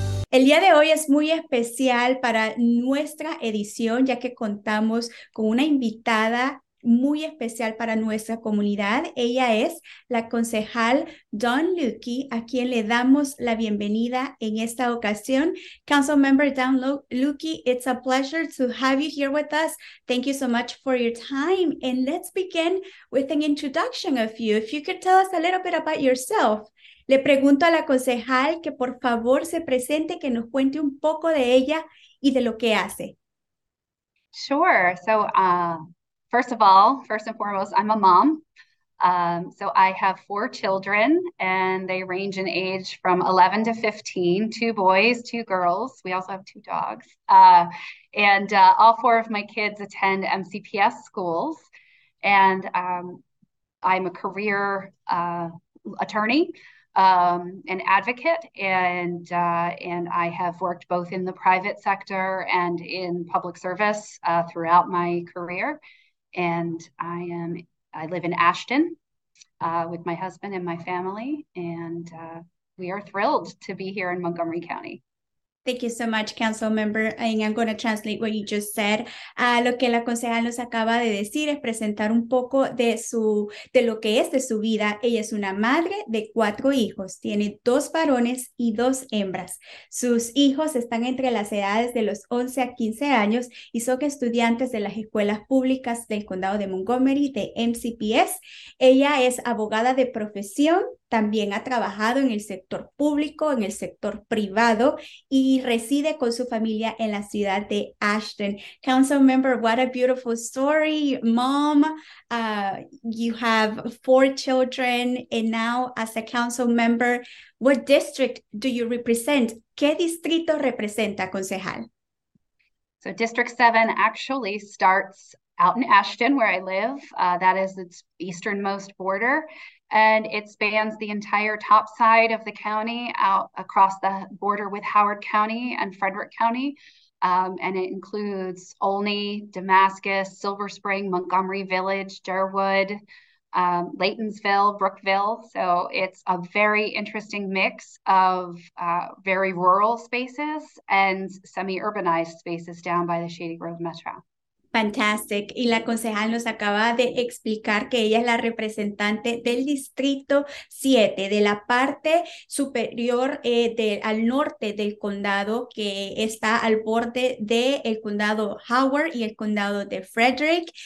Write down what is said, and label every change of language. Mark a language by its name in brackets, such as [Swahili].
[Spanish] El día de hoy es muy especial para nuestra edición, ya que contamos con una invitada muy especial para nuestra comunidad. Ella es la concejal Dawn Luedtke, a quien le damos la bienvenida en esta ocasión. [English] Councilmember Dawn Luedtke, it's a pleasure to have you here with us. Thank you so much for your time. And let's begin with an introduction of you. If you could tell us a little bit about yourself. [Spanish] Le pregunto a la concejal que por favor se presente, que nos cuente un poco de ella y de lo que hace. [English] Sure. So first of all, first and foremost, I'm a mom. So I have four children and they range in age from 11 to 15, two boys, two girls. We also have two dogs. And all four of my kids attend MCPS schools. And I'm a career attorney. An advocate, and I have worked both in the private sector and in public service throughout my career. And I live in Ashton with my husband and my family, and we are thrilled to be here in Montgomery County. Thank you so much, Council Member. And I'm going to translate what you just said. [Spanish] Lo que la concejal nos acaba de decir es presentar un poco de lo que es de su vida. Ella es una madre de cuatro hijos. Tiene dos varones y dos hembras. Sus hijos están entre las edades de los 11 a 15 años y son estudiantes de las escuelas públicas del condado de Montgomery, de MCPS. Ella es abogada de profesión. También ha trabajado en el sector público, en el sector privado, y reside con su familia en la ciudad de Ashton. [English] Councilmember, what a beautiful story. Mom, you have four children, and now as a council member, what district do you represent? [Spanish] ¿Qué distrito representa, concejal? [English] So District 7 actually starts out in Ashton, where I live. That is its easternmost border. And it spans the entire top side of the county out across the border with Howard County and Frederick County. And it includes Olney, Damascus, Silver Spring, Montgomery Village, Durwood, Laytonsville, Brookville. So it's a very interesting mix of very rural spaces and semi-urbanized spaces down by the Shady Grove Metro. Fantastic. [Spanish] Y la concejal nos acaba de explicar que ella es la representante del Distrito 7, de la parte superior al norte del condado, que está al borde del condado Howard y el condado de Frederick.